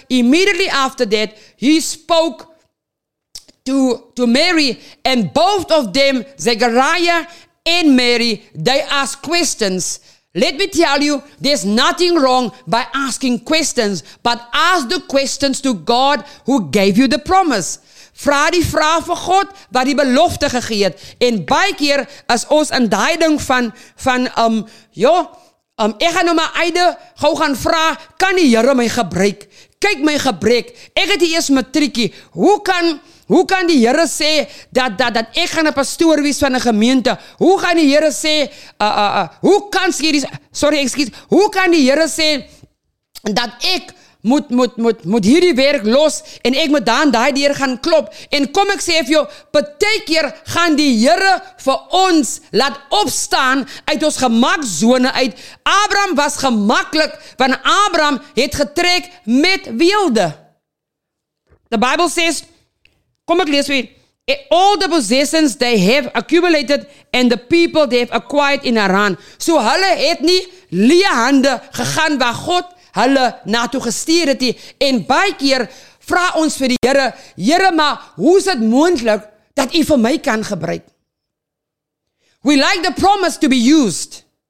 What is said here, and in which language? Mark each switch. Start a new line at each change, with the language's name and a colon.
English: Immediately after that, he spoke to Mary, and both of them, Zechariah and Mary, they asked questions. Let me tell you, there's nothing wrong by asking questions, but ask the questions to God who gave you the promise.
Afrikaans: Vra die vraag vir God wat die belofte gegee het. En baie keer is ons in daai ding van ek gaan nou my eide gou gaan vra, kan die Here my gebruik? Kyk my gebrek, ek het hier eers matriekie, hoe kan die Here sê dat ek gaan 'n pastoor wees van 'n gemeente? Hoe gaan die Here sê hoe kan die Here sê dat ek moet hierdie werk los en ek moet daan daai deur gaan klop? En kom ek sê vir jou, baie keer gaan die Here vir ons laat opstaan uit ons gemaksone uit. Abraham was gemaklik, want Abraham het getrek met weelde.
English: The Bible says,
Afrikaans: kom ek lees weer,
English: all the possessions they have accumulated and the people they have acquired in Haran.
Afrikaans: So hulle het nie leë hande gegaan waar God hulle naartoe gestuur het nie. En baie keer vra ons vir die Here, maar hoe is dit moontlik dat u vir my kan gebruik.
English: We like the promise to be used.